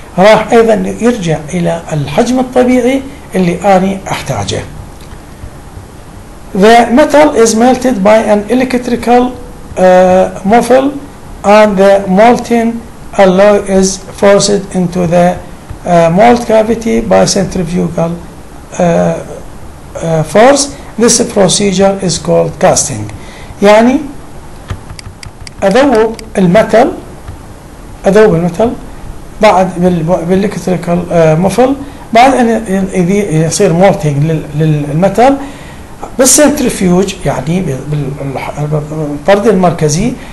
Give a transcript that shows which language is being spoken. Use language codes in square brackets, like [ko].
[ar] راح ايضا يرجع الى الحجم الطبيعي اللي اني احتاجه. [en] The metal is melted by an electrical muffle and the molten alloy is forced into the mold cavity by centrifugal force. This procedure is called casting. [ar] يعني اذوب المتل بعد بالالكتريكال مفل بعد ان يصير مولتنج للمتل بالسنترفيوج يعني بالطرد المركزي.